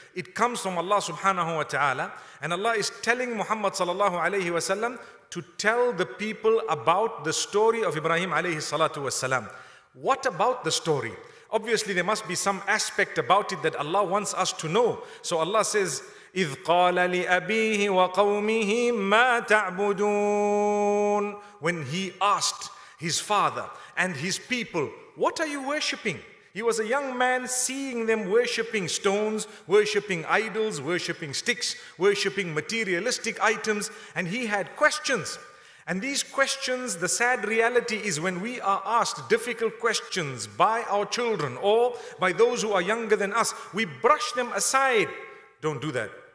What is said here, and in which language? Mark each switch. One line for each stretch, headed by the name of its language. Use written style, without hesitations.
English: It comes from Allah subhanahu wa ta'ala, and Allah is telling Muhammad sallallahu alayhi wa sallam to tell the people about the story of Ibrahim alayhi salatu wa sallam. What about the story? Obviously, there must be some aspect about it that Allah wants us to know. So Allah says,
Arabic: إِذْ قَالَ لِأَبِيهِ وَقَوْمِهِ مَا تَعْبُدُونَ.
English: When he asked his father and his people, what are you worshipping? He was a young man seeing them worshipping stones, worshipping idols, worshipping sticks, worshipping materialistic items, and he had questions. And these questions, the sad reality is when we are asked difficult questions by our children or by those who are younger than us, we brush them aside. Don't do that.